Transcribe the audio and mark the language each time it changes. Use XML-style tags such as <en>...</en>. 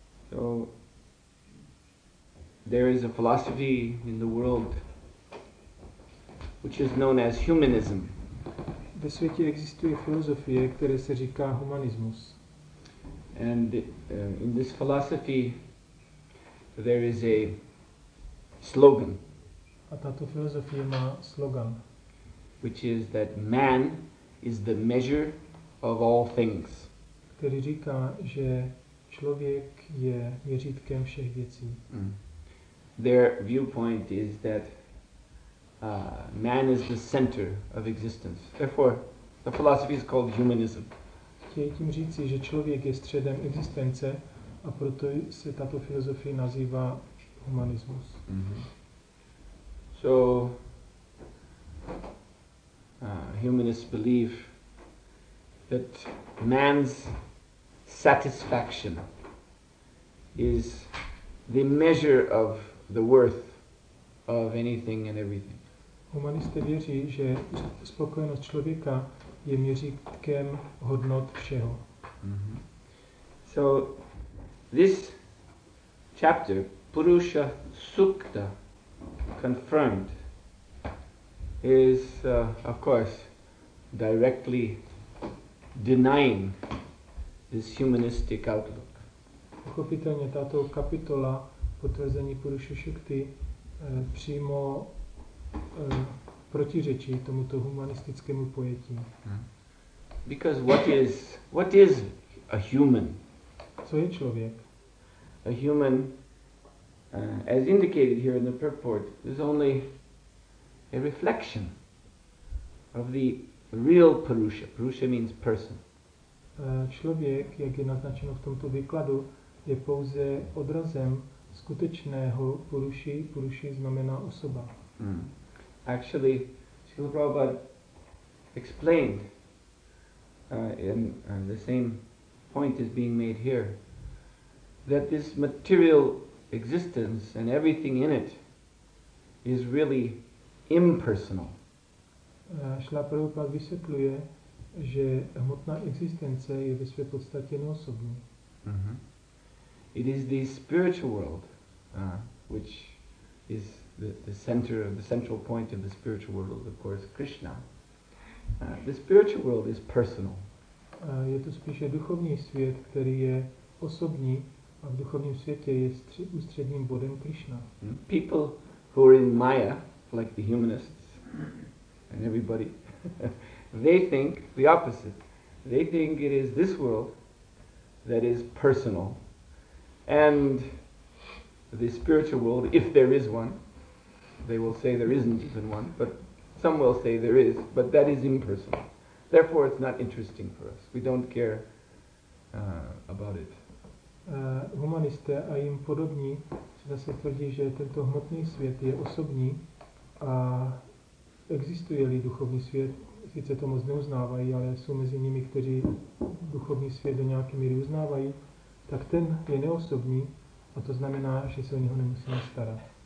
<en>So there is a philosophy in the world which is known as humanism.</en> <cs>Ve světě existuje filozofie, která se říká humanismus.</cs> <en>And in this philosophy there is a slogan.</en> <cs>A tato filozofie má slogan,</cs> <en>which is that man is the measure of all things.</en> <cs>Který říká, že člověk je měřítkem všech věcí.</cs> <en>Their viewpoint is that man is the center of existence. Therefore, the philosophy is called humanism.</en> <cs>Chtějí tím říci, že člověk je středem existence, a proto se tato filozofie nazývá humanismus.</cs> <en>So humanists believe that man's satisfaction is the measure of the worth of anything and everything.</en> <cs>Humanisté věří, že spokojenost člověka je měřítkem hodnot všeho.</cs> <en>So this chapter, Purusha Sukta, confirmed, is of course directly denying this humanistic outlook.</en> <cs>Pochopitelně tato kapitola potvrzení Purusha Sukty přímo protiřečí tomuto humanistickému pojetí.</cs> <en>Because what is a human?</en> <cs>Co je člověk?</cs> <en>A human, as indicated here in the purport, is only a reflection of the real Purusha. Purusha means person.</en> <cs>Člověk, jak je naznačeno v tomto výkladu, je pouze odrazem skutečného Puruši. Puruši znamená osoba.</cs> <en>Actually, Srila Prabhupada explained in the same point is being made here, that this material existence and everything in it is really impersonal.</en> <cs>Srila Prabhupada vysvětluje, že hmotná existence je ve své podstatě neosobní.</cs> <en>It is the spiritual world, which is the center of the central point of the spiritual world, of course, Krishna. The spiritual world is personal.</en> <cs>Je to spíše duchovní svět, který je osobní, a v duchovním světě je ústředním bodem Krishna.</cs> <en>People who are in Maya, like the humanists and everybody, they think the opposite. They think it is this world that is personal, and the spiritual world, if there is one, they will say there isn't even one, but some will say there is, but that is impersonal. Therefore, it's not interesting for us. We don't care about it.</en> <cs>Humanisté a jim podobní zase tvrdí, že tento hmotný svět je osobní a existuje-li duchovní svět, sice to moc neuznávají, ale jsou mezi nimi, kteří duchovní svět do nějaké míry uznávají, tak ten je neosobní a to znamená, že se o něho nemusíme starat.</cs>